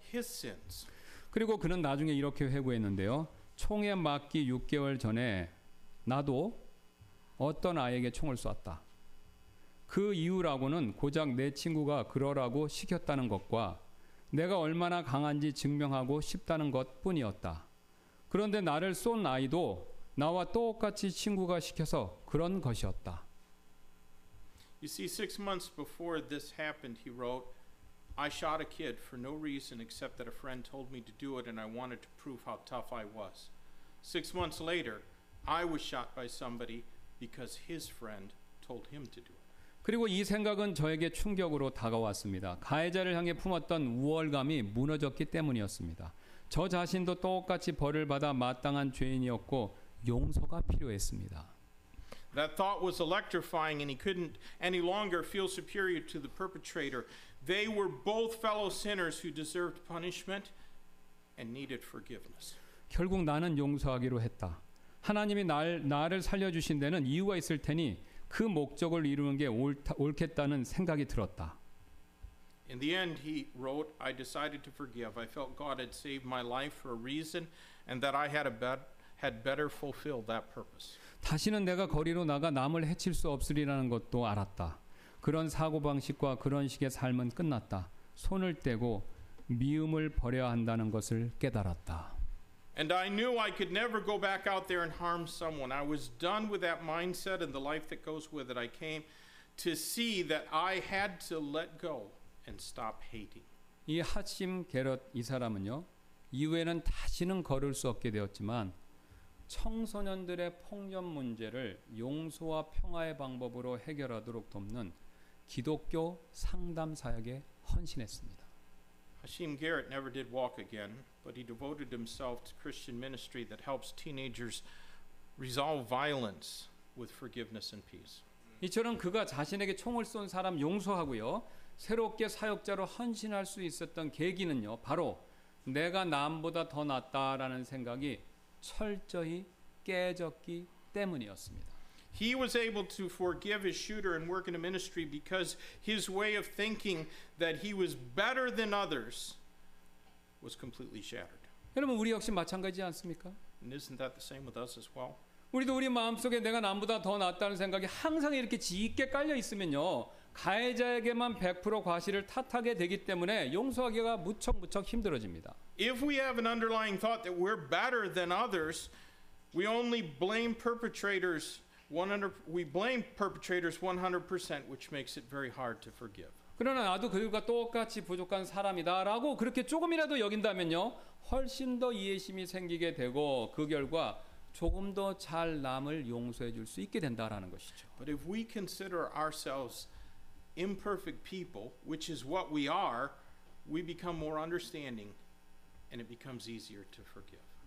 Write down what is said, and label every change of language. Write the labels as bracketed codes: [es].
[en] His sins. [ko] 그리고 그는 나중에 이렇게 회고했는데요. 총에 맞기 6개월 전에 나도 어떤 아이에게 총을 쐈다. 그 이유라고는 고작 내 친구가 그러라고 시켰다는 것과 내가 얼마나 강한지 증명하고 싶다는 것뿐이었다. 그런데 나를 쏜 아이도 나와 똑같이 친구가 시켜서 그런 것이었다. [en] You see, 6 months before this happened, he wrote, I shot a kid for no reason except that a friend told me to do it and I wanted to prove how tough I was. 6 months later, I was shot by somebody because his friend told him to do it. [ko] 그리고 이 생각은 저에게 충격으로 다가왔습니다. 가해자를 향해 품었던 우월감이 무너졌기 때문이었습니다. 저 자신도 똑같이 벌을 받아 마땅한 죄인이었고 용서가 필요했습니다. [en] That thought was electrifying and he couldn't any longer feel superior to the perpetrator. They were both fellow sinners who deserved punishment and needed forgiveness. [ko] 결국 나는 용서하기로 했다. 하나님이 나를 살려 주신 데는 이유가 있을 테니 그 목적을 이루는 게 옳겠다는 생각이 들었다. [en] In the end he wrote, I decided to forgive. I felt God had saved my life for a reason and that I had better fulfill that purpose. [ko] 다시는 내가 거리로 나가 남을 해칠 수 없으리라는 것도 알았다. 그런 사고방식과 그런 식의 삶은 끝났다. 손을 떼고 미움을 버려야 한다는 것을 깨달았다. [en] And I knew I could never go back out there and harm someone. I was done with that mindset and the life that goes with it. I came to see that I had to let go and stop hating. [ko] 이 하심 게럿 이 사람은요. 이후에는 다시는 걸을 수 없게 되었지만 청소년들의 폭력 문제를 용서와 평화의 방법으로 해결하도록 돕는 기독교 상담 사역에 헌신했습니다. [en] Hashim Garrett never did walk again, but he devoted himself to Christian ministry that helps teenagers resolve violence with forgiveness and peace. [ko] 이처럼 그가 자신에게 총을 쏜 사람 용서하고요, 새롭게 사역자로 헌신할 수 있었던 계기는요, 바로 내가 남보다 더 낫다라는 생각이 철저히 깨졌기 때문이었습니다. [en] He was able to forgive his shooter and work in a ministry because his way of thinking that he was better than others was completely shattered. [ko] 여러분 우리 역시 마찬가지지 않습니까? [en] And isn't that the same with us as well? [ko] 우리도 우리 마음속에 내가 남보다 더 낫다는 생각이 항상 이렇게 짙게 깔려 있으면요, 가해자에게만 100% 과실을 탓하게 되기 때문에 용서하기가 무척 힘들어집니다. [en] If we have an underlying thought that we're better than others, we only blame perpetrators 100. We blame perpetrators 100%, which makes it very hard to forgive. [ko] 그러나 나도 그들과 똑같이 부족한 사람이다라고 그렇게 조금이라도 여긴다면요, 훨씬 더 이해심이 생기게 되고 그 결과 조금 더 잘 남을 용서해 줄 수 있게 된다라는 것이죠. [en] But if we consider ourselves imperfect people, which is what we are, we become more understanding and it becomes easier to forgive.